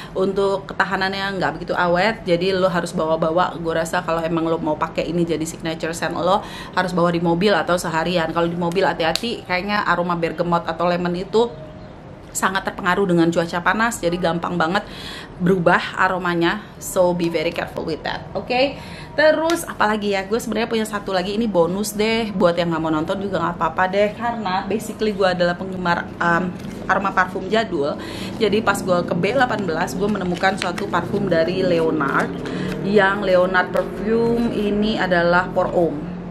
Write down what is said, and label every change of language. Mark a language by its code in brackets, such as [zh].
[id] Untuk ketahanannya nggak begitu awet, jadi lo harus bawa-bawa. Gue rasa kalau emang lo mau pakai ini jadi signature scent, lo harus bawa di mobil atau seharian. Kalau di mobil hati-hati, kayaknya aroma bergamot atau lemon itu sangat terpengaruh dengan cuaca panas, jadi gampang banget berubah aromanya. [en] So be very careful with that, okay? [id] Terus apalagi ya, gue sebenarnya punya satu lagi, ini bonus deh buat yang nggak mau nonton juga nggak apa-apa deh, karena basically gue adalah penggemar aroma parfum jadul. Jadi pas gue ke B18, gue menemukan suatu parfum dari Leonard, yang Leonard perfume ini adalah Pour Homme.